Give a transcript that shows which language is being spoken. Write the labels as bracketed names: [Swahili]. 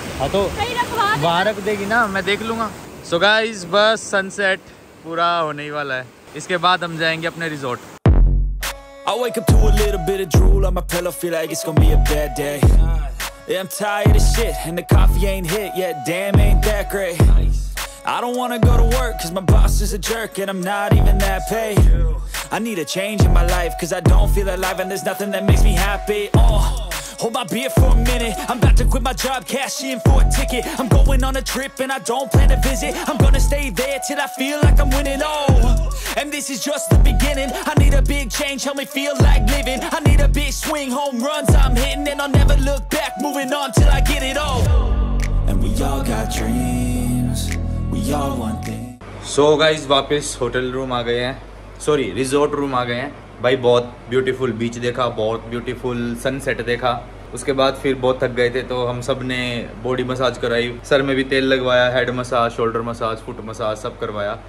[Hindi] तो रख देगी ना, मैं देख लूंगा। [English] so guys [Hindi] बस सनसेट पूरा होने ही वाला है, इसके बाद हम जाएंगे अपने resort. [English] I wake up to a little bit of drool on my pillow, feel like it's gonna be a bad day. Yeah, I'm tired of shit and the coffee ain't hit yet, damn ain't that great. I don't wanna go to work cause my boss is a jerk and I'm not even that paid. I need a change in my life cause I don't feel alive and there's nothing that makes me happy. Hold my beer for a minute, I'm about to quit my job, cash in for a ticket. I'm going on a trip and I don't plan to visit. I'm gonna stay there till I feel like I'm winning all. And this is just the beginning, I need a big change, help me feel like living. I need a big swing, home runs I'm hitting. And I'll never look back, moving on till I get it all. And we all got dreams, we all want things. So guys, [Hindi] वापस hotel room आ गए हैं, sorry resort room आ गए हैं। भाई बहुत beautiful बीच देखा, बहुत beautiful sunset देखा, उसके बाद फिर बहुत थक गए थे तो हम सब ने बॉडी मसाज कराई, सर में भी तेल लगवाया, head massage, shoulder massage, foot massage सब करवाया।